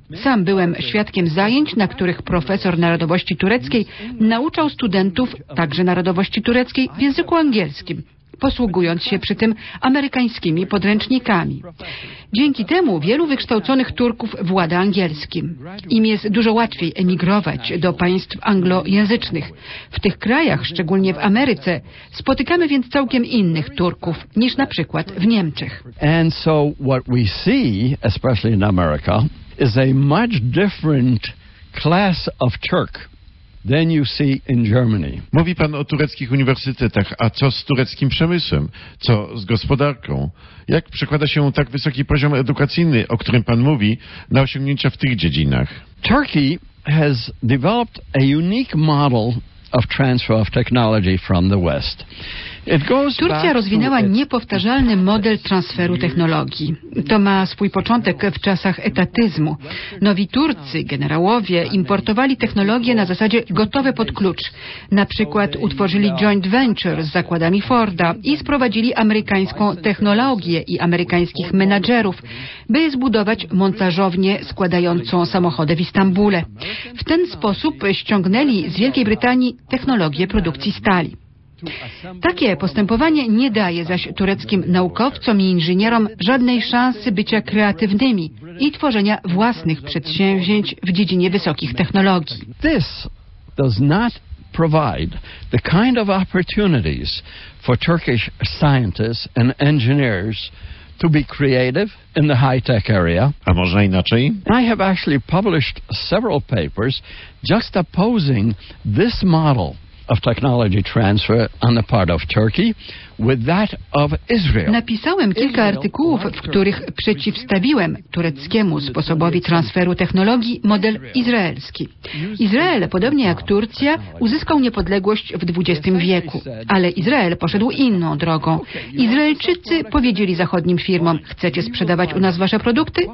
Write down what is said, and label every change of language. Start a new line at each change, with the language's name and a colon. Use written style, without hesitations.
Polish: Sam byłem świadkiem zajęć, na których profesor narodowości tureckiej nauczał studentów także narodowości tureckiej w języku angielskim, posługując się przy tym amerykańskimi podręcznikami. Dzięki temu wielu wykształconych Turków włada angielskim. Im jest dużo łatwiej emigrować do państw anglojęzycznych. W tych krajach, szczególnie w Ameryce, spotykamy więc całkiem innych Turków niż na przykład w Niemczech.
English: And so what we see, especially in America, is a much different class of Turk. Then you see in Germany.
Polish: Mówi pan o tureckich uniwersytetach, a co z tureckim przemysłem? Co z gospodarką? Jak przekłada się tak wysoki poziom edukacyjny, o którym pan mówi, na osiągnięcia w tych dziedzinach?
English: Turkey has developed a unique model of transfer of technology from the West.
Polish: Turcja rozwinęła niepowtarzalny model transferu technologii. To ma swój początek w czasach etatyzmu. Nowi Turcy, generałowie, importowali technologię na zasadzie gotowe pod klucz. Na przykład utworzyli joint venture z zakładami Forda i sprowadzili amerykańską technologię i amerykańskich menadżerów, by zbudować montażownię składającą samochody w Istambule. W ten sposób ściągnęli z Wielkiej Brytanii technologię produkcji stali. Takie postępowanie nie daje zaś tureckim naukowcom i inżynierom żadnej szansy bycia kreatywnymi i tworzenia własnych przedsięwzięć w dziedzinie wysokich technologii.
English: This does not provide the kind of opportunities for Turkish scientists and engineers to be creative in the high-tech area.
Polish: A można inaczej?
English: I have actually published several papers juxtaposing this model of technology transfer on the part of Turkey with that of Israel.
Polish: Napisałem kilka artykułów, w których przeciwstawiłem tureckiemu sposobowi transferu technologii model izraelski. Izrael, podobnie jak Turcja, uzyskał niepodległość w XX wieku, ale Izrael poszedł inną drogą. Izraelczycy powiedzieli zachodnim firmom: chcecie sprzedawać u nas wasze produkty?